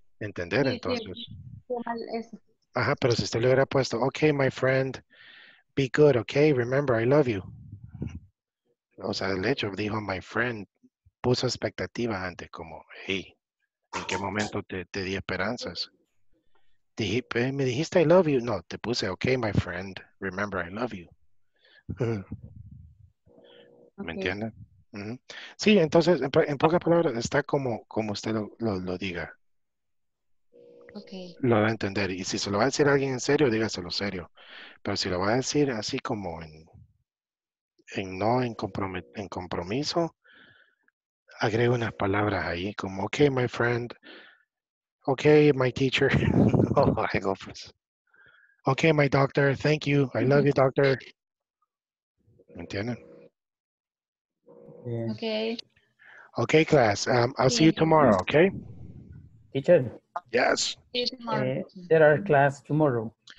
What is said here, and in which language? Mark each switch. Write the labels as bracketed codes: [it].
[es] Entender, sí, entonces. Sí, ajá, pero si usted le hubiera puesto, [en] okay, my friend, be good, okay, remember, I love you. [es] O sea, el hecho, dijo [en] my friend, [es] puso expectativas antes, como, hey, ¿en qué momento te di esperanzas? Dije, me dijiste, [en] I love you. [es] No, te puse, [en] okay, my friend, remember, I love you. [es] Okay. ¿Me entiende? Mm-hmm. Sí, entonces, en pocas palabras, está como usted lo diga. Okay. Lo va a entender. Y si se lo va a decir a alguien en serio, dígaselo serio. Pero si lo va a decir así como en compromiso, agrega unas palabras ahí como, [en] ok, my friend, ok, my teacher, oh, I go first. Ok, my doctor, thank you, I love you, doctor. [es] ¿Me entienden? [en] Yeah. Okay. Ok, class, I'll see you tomorrow, okay? Teacher. Yes. There are class tomorrow.